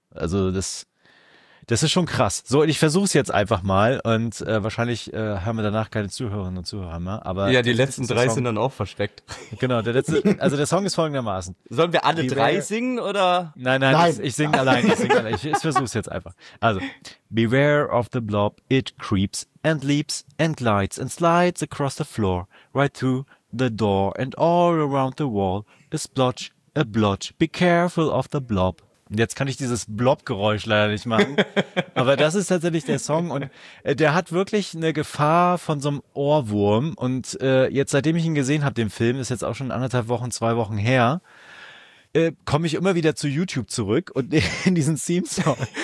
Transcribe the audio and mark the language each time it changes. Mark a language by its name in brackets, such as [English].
[German] Also das ist schon krass. So, und ich versuche es jetzt einfach mal und wahrscheinlich hören wir danach keine Zuhörerinnen und Zuhörer mehr. Aber ja, die letzten drei sind dann auch versteckt. Genau, der Song ist folgendermaßen. Sollen wir alle drei singen oder? Nein. Ich singe allein. Ich versuche es jetzt einfach. [English] Also, beware of the blob, it creeps and leaps and glides and slides across the floor right through the door and all around the wall is blotch, a blotch. Be careful of the blob. [German] Jetzt kann ich dieses Blob-Geräusch leider nicht machen. Aber das ist tatsächlich der Song und der hat wirklich eine Gefahr von so einem Ohrwurm. Und jetzt, seitdem ich ihn gesehen habe, den Film, ist jetzt auch schon anderthalb Wochen, zwei Wochen her, komme ich immer wieder zu YouTube zurück und in diesen Theme-Song.